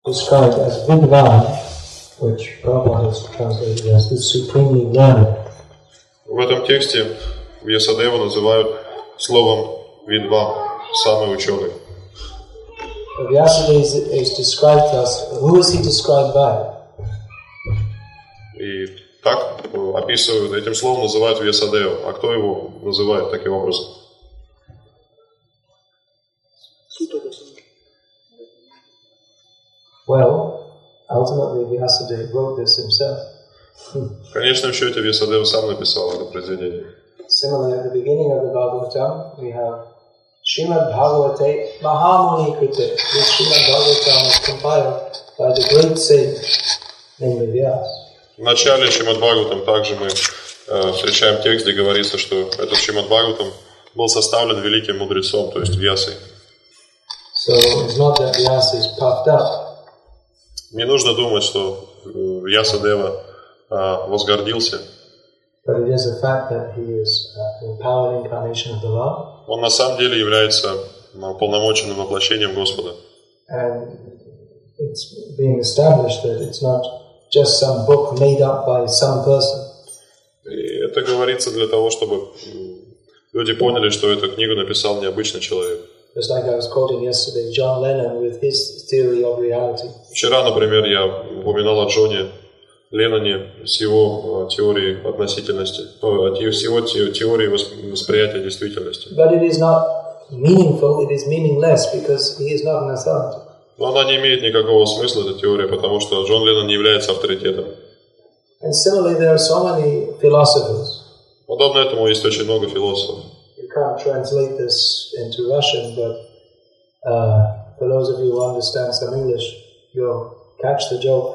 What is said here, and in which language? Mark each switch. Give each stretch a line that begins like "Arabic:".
English: described as Vidvan, which Prabhupada has translated as the supremely learned.
Russian: В этом тексте Вьясадеву называют словом Видва, самый ученый.
English: Vyasadeva is described as, who is he described by?
Russian: И так описывают, этим словом называют Вьясадеву. А кто его называет таким образом?
English: Well, ultimately Vyasadeva wrote this himself.
Russian: В конечном счете Вьясадева сам написал это произведение.
English: Similarly, at the beginning of the Bhagavatam, we have
Sanskrit: Srimad Bhagavate Mahamuni Krite.
English: This Srimad Bhagavatam is compiled by the great saint named Vyas.
Russian: В начале Шримад Бхагаватам также мы встречаем текст, где говорится, что этот Шримад Бхагаватам был составлен великим мудрецом, то есть Вьясой.
English: So it's not that Vyas is puffed up.
Russian: Не нужно думать, что Вьясадева возгордился.
English: But it is a fact that he is an empowered incarnation of the Lord.
Russian: Он на самом деле является уполномоченным воплощением Господа.
English: And it's being established that it's not just some book made up by some person.
Russian: И это говорится для того, чтобы люди поняли, что эту книгу написал необычный человек.
English: Just like I was quoting yesterday John Lennon with his theory of reality.
Russian: Вчера, например, я упоминал о Джоне Ленноне с его теорией относительности, с его теорией восприятия действительности.
English: But it is not meaningful, it is meaningless, because he is not an authority.
Russian: Но она не имеет никакого смысла, эта теория, потому что Джон Леннон не является авторитетом.
English: And similarly, there are so many philosophers.
Russian: Подобно этому есть очень много философов.
English: You can't translate this into Russian, but for those of you who understand some English, you'll catch the joke.